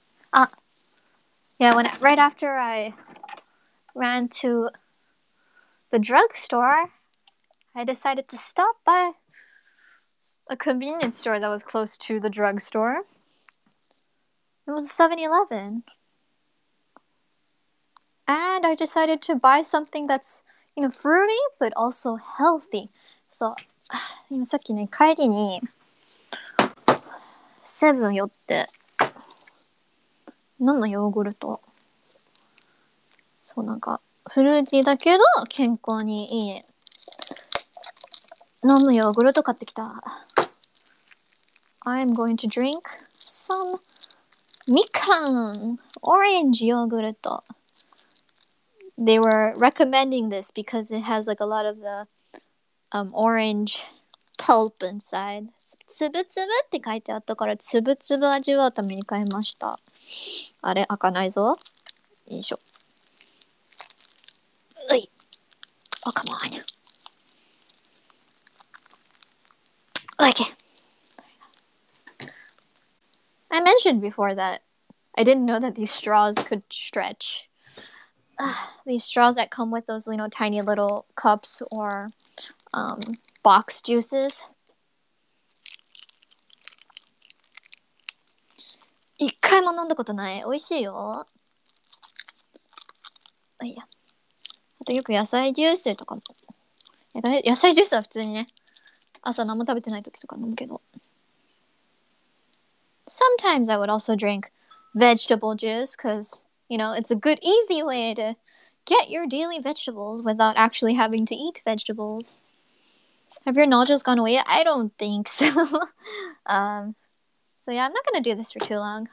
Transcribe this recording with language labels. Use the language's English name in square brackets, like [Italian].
[English] あ、yeah, when right after I ran to the drugstore, I decided to stop by a convenience store that was close to the drugstore. It was a 7-Eleven. And I decided to buy something that's, you know, fruity, but also healthy. [Japanese] So,今さっきね、帰りにセブン寄って飲んだヨーグルト、そう、なんかフルーティーだけど健康にいい飲むヨーグルト買ってきた。 [English] I'm going to drink some みかんオレンジヨーグルト。 They were recommending this because it has like a lot of theorange pulp inside. [Japanese] つぶつぶって書いてあったから、つぶつぶ味わうために買いました。あれ、開かないぞ。よいしょ。うい。あ、かまわない。おいけ。 [English] I mentioned before that I didn't know that these straws could stretch. These straws that come with those, you know, tiny little cups or... box juices. [Japanese] 一回も飲んだことない。美味しいよ。いや。あとよく野菜ジュースとかも。野菜ジュースは普通にね、朝何も食べてない時とか飲むけど。 [English] Sometimes I would also drink vegetable juice because, you know, it's a good easy way to get your daily vegetables without actually having to eat vegetables. Have your nausea gone away? I don't think so. So yeah, I'm not gonna do this for too long.